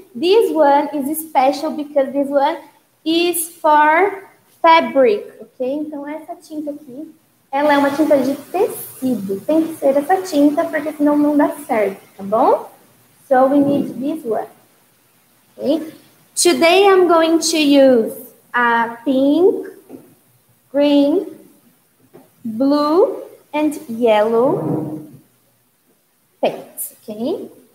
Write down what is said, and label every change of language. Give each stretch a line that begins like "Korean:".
English: This one is special because this one is for fabric, okay?
Portuguese: Então, essa tinta aqui, ela é uma tinta de tecido. Tem que ser essa tinta porque senão não dá certo, tá bom?
English: So, we need this one, okay? Today, I'm going to use a pink, green, blue, and yellow paint, okay?